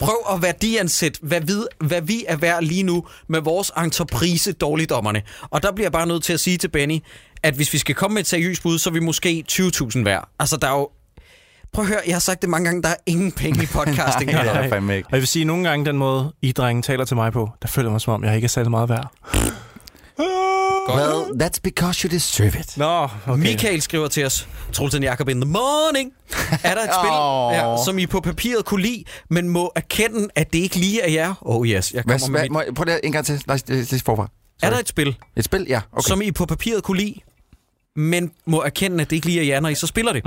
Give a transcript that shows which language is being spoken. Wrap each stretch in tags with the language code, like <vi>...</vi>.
<da>Prøv at værdiansætte, hvad vi er værd lige nu med vores entreprise dårligdommerne. Og der bliver jeg bare nødt til at sige til Benny, at hvis vi skal komme med et seriøst bud, så er vi måske 20.000 værd. Altså, der er jo... Prøv at høre, jeg har sagt det mange gange, der er ingen penge i podcasting. Nej, det er fandme ikke. Og jeg vil sige, nogle gange den måde, I drenge taler til mig på, der føler mig som om, jeg ikke er særlig meget værd.</da> <en>Well, that's because you deserve it.</en> <da>Nå, okay. Michael skriver til os, Troelsen Jakob in the morning. Er der et spil, ja, som I på papiret kunne lide, men må erkende, at det ikke lige er jer?</da> <en>Oh yes,</en> <da>jeg kommer med mit... Prøv lige en gang til. Nej, lige forfra. Er der et spil? Et spil, ja. Okay. Som I på papiret kunne lide, men må erkende, at det ikke lige er jer, når I så spiller det?</da>